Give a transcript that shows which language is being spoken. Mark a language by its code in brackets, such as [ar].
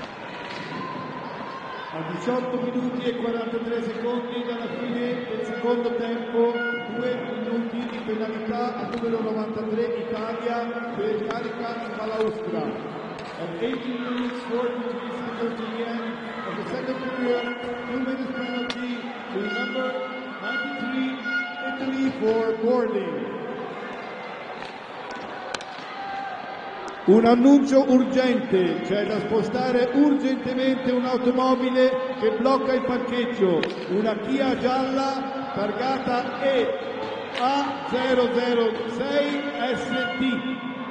[it] 18 minuti e 43 secondi dalla fine del secondo tempo, 2 minuti di penalità al numero 93 Italia per carica di palaustra. [en] And 18 minutes 43 seconds to the end of the second period, 2 minutes penalty to number 93 Italy for boarding. [it] Un annuncio urgente, c'è da spostare urgentemente un'automobile che blocca il parcheggio, una Kia gialla targata EA006ST.